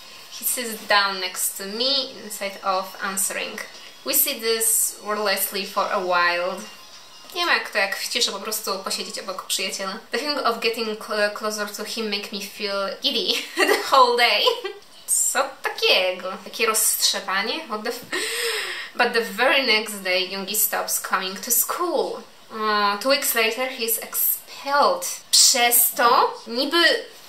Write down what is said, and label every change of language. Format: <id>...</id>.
<en>He sits down next to me instead of answering. We see this wordlessly for a while.</en> <pl>Nie ma jak to, jak w ciszy po prostu posiedzieć obok przyjaciela.</pl> <en>The feeling of getting closer to him make me feel giddy the whole day. Co takiego? Takie roztrzepanie? What the f- But the very next day Yoongi stops coming to school. 2 weeks later he's expelled. Przez to niby...</en>